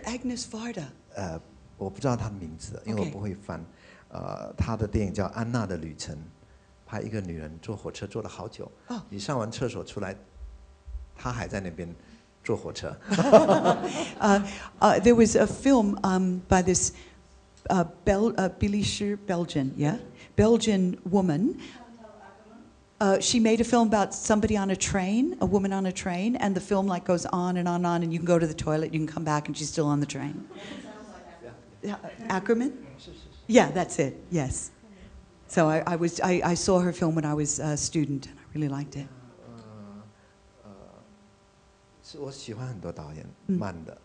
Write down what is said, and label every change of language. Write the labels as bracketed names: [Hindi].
[English] Agnes Varda？ [Chinese] 我不知道她的名字，因为我不会翻。她的电影叫《安娜的旅程》，拍一个女人坐火车坐了好久，你上完厕所出来，她还在那边坐火车。 [English] There was a film by this Belgian Belgian woman. She made a film about somebody on a train, a woman on a train, and the film like goes on and on and on, and you can go to the toilet, you can come back, and she's still on the train. Ackerman? Yeah, that's it. Yes. So I saw her film when I was a student, and I really liked it. [Chinese] 是我喜欢很多导演，慢的。